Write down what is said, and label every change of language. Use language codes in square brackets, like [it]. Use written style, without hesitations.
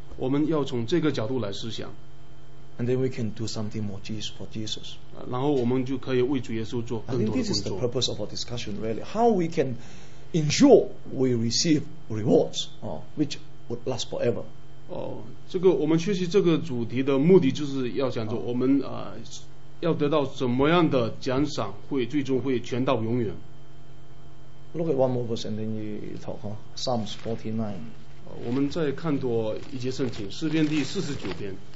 [zh] 我们要从这个角度来思想。 [en] And then we can do something more for Jesus. [zh] 然后我们就可以为主耶稣做更多的工作。 [en] I think this is the purpose of our discussion, really. How we can ensure we receive rewards, which would last forever. [zh] 这个我们学习这个主题的目的就是要讲说我们 要得到怎么样的奖赏，会最终会存到永远。 [en] Look at one more verse and then you talk, Psalms 49. [zh] 我们再看多一节圣经，诗篇第49篇。